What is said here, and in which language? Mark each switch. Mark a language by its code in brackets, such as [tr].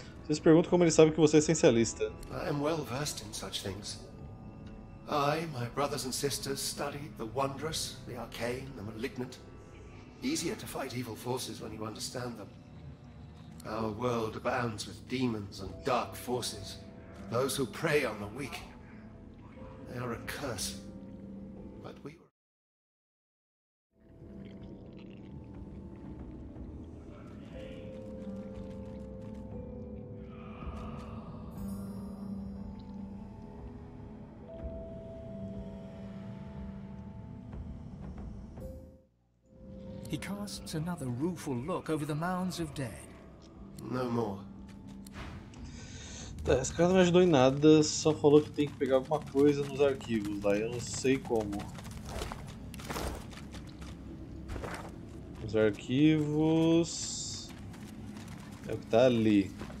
[pt] Vocês perguntam como ele sabe que você é essencialista. [en] I am well versed in such things. I, my brothers and sisters, studied the wondrous, the arcane, the malignant. Easier to fight evil forces when you understand them. Our world abounds with demons and dark forces. Those who prey on the weak. They are a curse. But we were... He casts another rueful look over the mounds of dead. No more. [pt] Tá, esse cara não me ajudou em nada, só falou que tem que pegar alguma coisa nos arquivos, daí eu não sei como. Os arquivos... É o que tá ali.